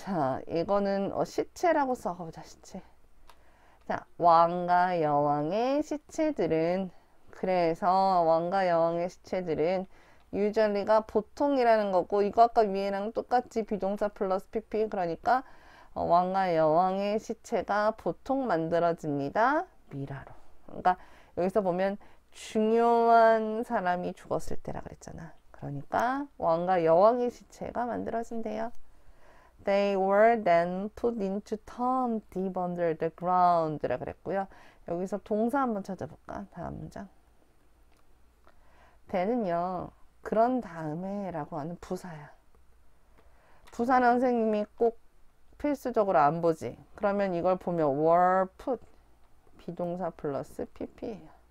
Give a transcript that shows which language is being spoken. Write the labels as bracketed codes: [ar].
[ko] 자, 이거는 시체라고 써가보자, 시체. 자, 왕과 여왕의 시체들은, 그래서 왕과 여왕의 시체들은 usually가 보통이라는 거고, 이거 아까 위에랑 똑같이 비동사 플러스 PP, 그러니까 왕과 여왕의 시체가 보통 만들어집니다. 미라로. 그러니까 여기서 보면 중요한 사람이 죽었을 때라 그랬잖아. 그러니까 왕과 여왕의 시체가 만들어진대요. [en] They were then put into tomb deep under the ground [ko] 라 그랬고요. 여기서 동사 한번 찾아볼까? 다음 문장. then은요, 그런 다음에라고 하는 부사야. 부사는 선생님이 꼭 필수적으로 안 보지. 그러면 이걸 보면 were put 비동사 플러스 PP예요.